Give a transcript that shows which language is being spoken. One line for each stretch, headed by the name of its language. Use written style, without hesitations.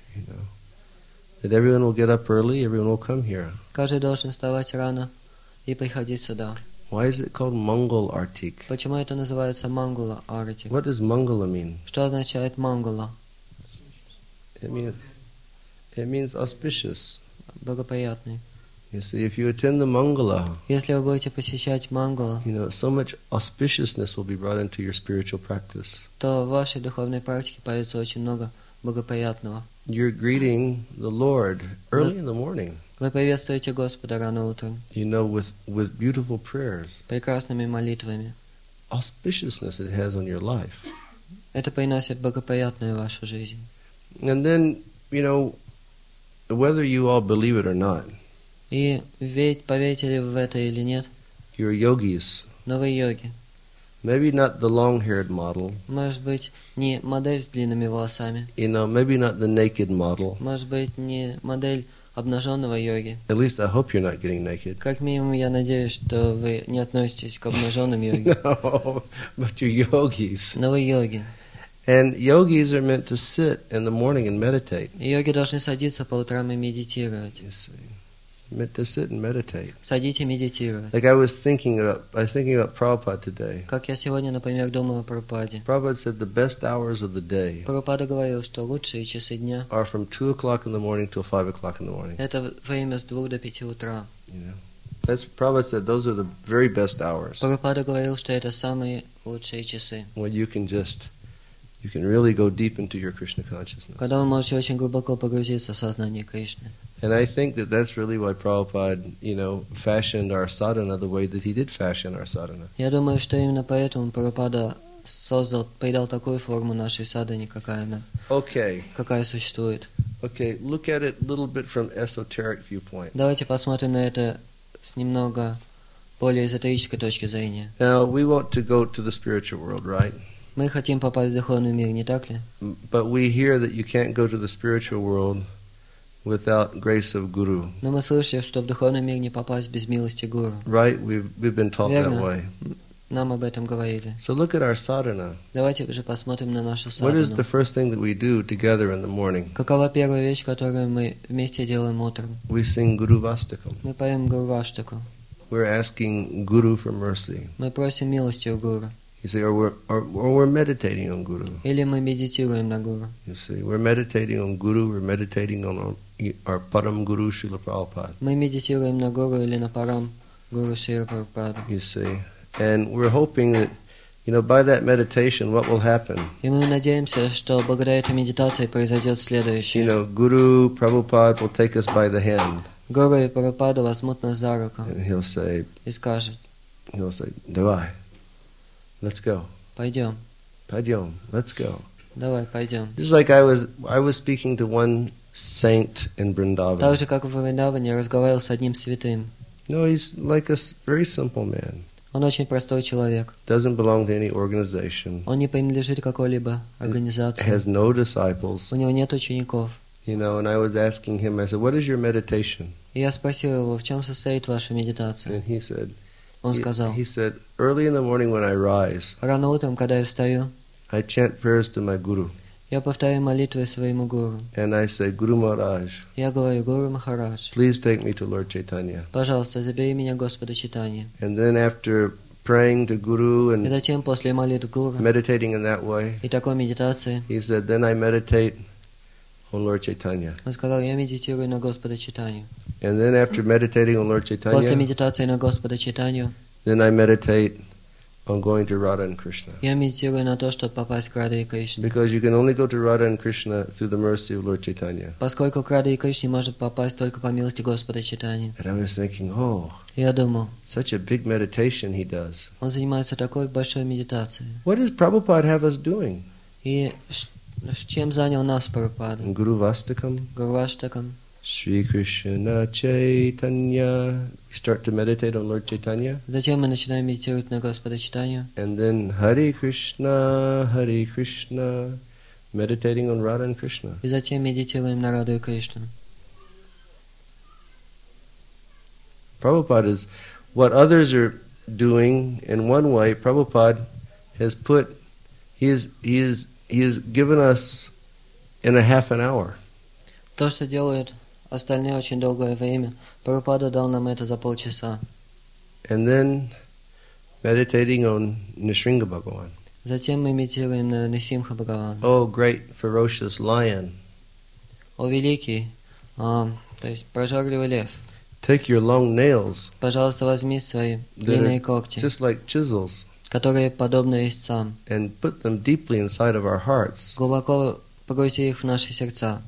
English: You know, that everyone will get up early, everyone will come here.
Russian: Каждый должен вставать рано. И приходить сюда.
English: Why is it called Mangal Artik?
Russian: Почему это называется Mangala Artik?
English: What does Mangala mean?
Russian: Что означает Mangala?
English: It means auspicious.
Russian: Благоприятный.
English: You see, if you attend the Mangala,
Russian: если вы будете посещать Mangala,
English: you know, so much auspiciousness will be brought into your spiritual practice.
Russian: То в вашей духовной практике появится очень много благоприятного.
English: You're greeting the Lord early in the morning.
Russian: Вы приветствуете Господа рано утром.
English: You know, with beautiful prayers.
Russian: Прекрасными молитвами.
English: Auspiciousness it has on your life.
Russian: Это приносит благоприятную вашу жизнь.
English: And then you know, whether you all believe it or not,
Russian: и ведь поверите ли в это или нет,
English: you're yogis.
Russian: Но вы йоги.
English: Maybe not the long-haired model.
Russian: Может быть, не модель с длинными волосами.
English: You know, maybe not the naked model.
Russian: Может быть, не модель обнаженного йоги.
English: At least I hope you're not getting naked.
Russian: Как минимум, я надеюсь, что вы не относитесь к обнаженным йоги.
English: No, but you're yogis.
Russian: Но вы йоги.
English: And yogis are meant to sit in the morning and meditate.
Russian: Йоги должны садиться по утрам и медитировать.
English: You see. Meant to sit and meditate.
Russian: Садите медитировать.
English: Like I was thinking about Prabhupada today.
Russian: Как я сегодня, например, думал о Прабхупаде.
English: Prabhupada said the best hours of the day.
Russian: Прабхупада говорил, что лучшие часы дня.
English: Are from 2 o'clock in the morning till 5 o'clock in the morning.
Russian: Это время с 2 до 5 утра.
English: Yeah. That's Prabhupada said those are the very best hours.
Russian: Прабхупада говорил, что это самые лучшие часы.
English: When you can really go deep into your Krishna consciousness.
Russian: Когда вы можете очень глубоко погрузиться в сознание Кришны.
English: And I think that that's really why Prabhupada, you know, fashioned our sadhana the way that he did fashion our sadhana.
Russian: Я думаю, что именно поэтому Прабхупада создал, придал такую форму нашей садхане, какая она.
English: Okay.
Russian: Какая существует.
English: Okay, look at it a little bit from esoteric viewpoint.
Russian: Давайте посмотрим на это с немного более эзотерической точки зрения.
English: Now, we want to go to the spiritual world, right?
Russian: Мы хотим попасть в духовный мир, не так ли?
English: But we hear that you can't go to the spiritual world without grace of guru.
Russian: Но мы слышали, что в духовный мир не попасть без милости гуру.
English: Right, we've been taught
Russian: верно,
English: that way.
Russian: Нам об этом говорили.
English: So look at our sadhana.
Russian: Давайте уже посмотрим на нашу садхану.
English: What is the first thing that we do together in the morning?
Russian: Какова первая вещь, которую мы вместе делаем утром?
English: We sing Guru Vastakam.
Russian: Мы поем Гуру Ваштаку.
English: We're asking guru for mercy.
Russian: Мы просим милости у гуру.
English: You see, or we're meditating on Guru.
Russian: Или мы медитируем на Гуру.
English: You see, we're meditating on Guru, we're meditating on our Param Guru Srila Prabhupada.
Russian: Мы медитируем на Гуру или на Парам Гуру Шрила Прабхупада.
English: You see, and we're hoping that, you know, by that meditation, what will happen?
Russian: И мы надеемся, что благодаря этой медитации произойдет следующее.
English: You know, Guru Prabhupada will take us by the hand.
Russian: Гуру и Прабхупада возьмут нас за руку.
English: And he'll say,
Russian: и скажет,
English: he'll say,
Russian: давай.
English: Let's go.
Russian: Пойдем. Пойдем.
English: Let's go.
Russian: Давай, пойдем.
English: This is like I was speaking to one saint in Vrindavan.
Russian: Так же, как в Вриндаване, я разговаривал с одним святым.
English: No, he's like a very simple man.
Russian: Он очень простой человек.
English: Doesn't belong to any organization.
Russian: Он не принадлежит какой-либо организации.
English: Has no disciples.
Russian: У него нет учеников.
English: You know, and I was asking him, I said, what is your meditation?
Russian: И я спросил его, в чем состоит ваша медитация?
English: And he said,
Russian: он сказал,
English: he said, early in the morning when I rise,
Russian: рано утром, когда я встаю,
English: I chant prayers to my guru.
Russian: Я повторяю молитвы своему гуру.
English: And I say, Guru Maharaj,
Russian: я говорю, Гуру Махарадж,
English: please take me to Lord Chaitanya.
Russian: Пожалуйста, забери меня Господу Чайтанья.
English: And then after praying to guru and
Russian: и затем после молитвы гуру,
English: meditating in that way,
Russian: и такой медитации,
English: he said, then I meditate on Lord Chaitanya.
Russian: Он сказал, я медитирую на Господа Чайтанью.
English: And then after meditating on Lord Chaitanya,
Russian: после медитации на Господа Чайтанью,
English: then I meditate on going to Radha and Krishna.
Russian: Я медитирую на то, чтобы попасть к Радхе и Кришне.
English: Because you can only go to Radha and Krishna through the mercy of Lord Chaitanya.
Russian: Поскольку к Радхе и Кришне можно попасть только по милости Господа Чайтанья.
English: And I was thinking, oh,
Russian: я думал,
English: such a big meditation he does.
Russian: Он занимается такой большой медитацией.
English: What does Prabhupada have us doing?
Russian: И чем занял нас Прабхупада?
English: Guru Vastakam. Guru Vastakam. Shri Krishna Chaitanya. We start to meditate on Lord Chaitanya.
Russian: Затем мы начинаем медитировать на Господа Чайтанью.
English: And then Hare Krishna, Hare Krishna. Meditating on Radha and Krishna.
Russian: И затем медитируем на Раду и Кришну.
English: Prabhupada is what others are doing in one way. Prabhupada has put he has given us in a half an hour.
Russian: То, что делает остальные очень долгое время. Прабхупада дал нам это за полчаса.
English: And then meditating on Nrisimha Bhagavan.
Russian: Затем мы медитируем на Нрисимха Бхагавана.
English: Oh, great ferocious lion.
Russian: О, великий, то есть прожорливый лев.
English: Take your long nails.
Russian: Пожалуйста, возьми свои длинные когти.
English: Just like chisels.
Russian: Которые подобны резцам.
English: And put them deeply inside of our hearts.
Russian: Глубоко погрузи их в наши сердца.